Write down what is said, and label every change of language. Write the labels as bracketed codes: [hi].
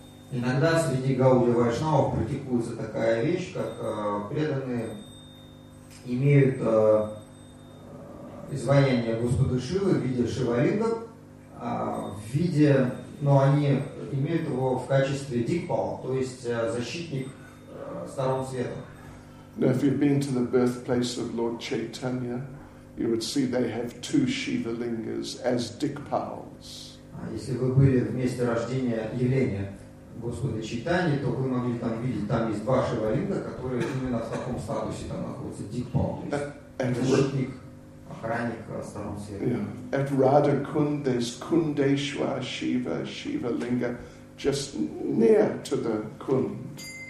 [ru] Иногда среди Гаудия Вайшнава практикуется такая вещь, как преданные имеют изваяние Господа Шивы в виде Шивалинга. В виде, но они имеют его в качестве дикпал, то есть защитник сторон света. [en] Now, if you've been to the birthplace of Lord Chaitanya, you would see they have two Shiva lingas as dikpals. [ru] Если вы были в месте рождения явления Господа Чайтаньи, то вы могли там видеть, там есть два Шива линга, которые именно в таком статусе там находятся, дикпал, то есть защитник, охранник старом света. [en] At Radha Kund there's Kundeshwar Shiva, Shiva linga, just near to the Kund.